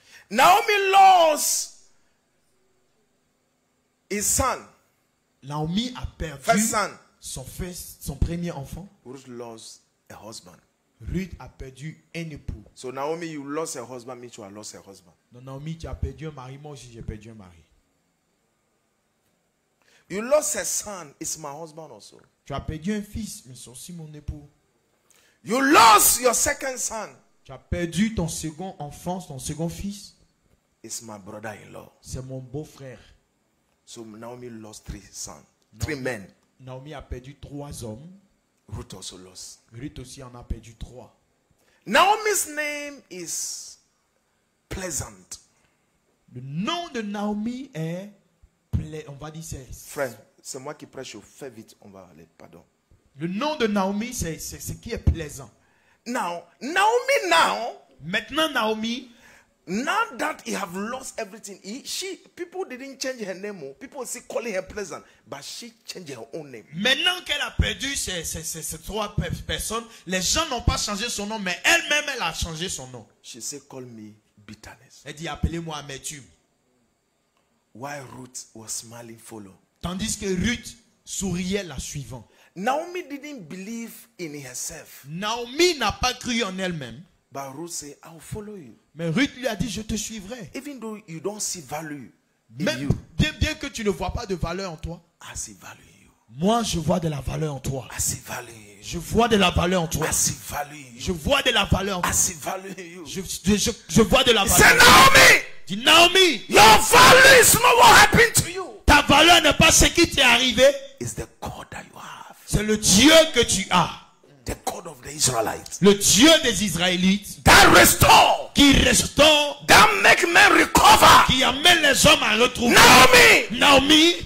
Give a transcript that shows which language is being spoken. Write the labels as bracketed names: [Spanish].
[English] Naomi lost his son. [French] Naomi a perdu son premier enfant. [English] Ruth lost a husband. [French] Ruth a perdu un époux. [English] So Naomi, you lost a husband, me too, I lost a husband. [French] Non, Naomi, tu as perdu un mari, moi aussi j'ai perdu un mari. [English] You lost a son, it's my husband also. [French] Tu as perdu un fils, mais c'est aussi mon époux. [English] You lost your second son. [French] Tu as perdu ton second enfant, ton second fils. [English] It's my brother-in-law. [French] C'est mon beau-frère. [English] So Naomi lost 3 sons. Naomi, 3 men. [French] Naomi a perdu 3 hommes. [English] Ruth also lost. [French] Ruth aussi en a perdu 3. [English] Naomi's name is pleasant. [French] Le nom de Naomi est on va dire c'est. Frère, c'est moi qui prêche, fais vite, on va aller, pardon. Le nom de Naomi, c'est ce qui est plaisant. [English] Now, Naomi now. [French] Maintenant Naomi. [English] Now that he have lost everything, people didn't change her name more. People still calling her pleasant, but she changed her own name. [French] Maintenant qu'elle a perdu ces 3 personnes, les gens n'ont pas changé son nom, mais elle-même, elle a changé son nom. [English] She said, call me bitterness. [French] Elle dit, appelez-moi amertume. [English] While Ruth was smiling, follow. [French] Tandis que Ruth souriait la suivant. [English] Naomi didn't believe in herself. [French] Naomi n'a pas cru en elle-même. [English] But Ruth said, I'll follow you. [French] Mais Ruth lui a dit, je te suivrai. [English] Even though you don't see value [French] même [English] in you, [French] bien que tu ne vois pas de valeur en toi, [English] I see value in you. [French] Moi, je vois de la valeur en toi. [English] I see value. [French] Je vois de la valeur en toi. [English] I see value in you. [French] Je vois de la valeur en toi. [English] I see value in you. [French] Je vois de la valeur. C'est Naomi. Dis Naomi, [English] your value is not what happened to you. [French] Ta valeur n'est pas ce qui t'est arrivé. [English] It's the God that you have. [French] C'est le Dieu que tu as. [English] The God of the Israelites. [French] Le Dieu des Israélites. [English] That restore. [French] Qui restaure. [English] That make men recover. [French] Qui amène les hommes à retrouver. Naomi. Naomi.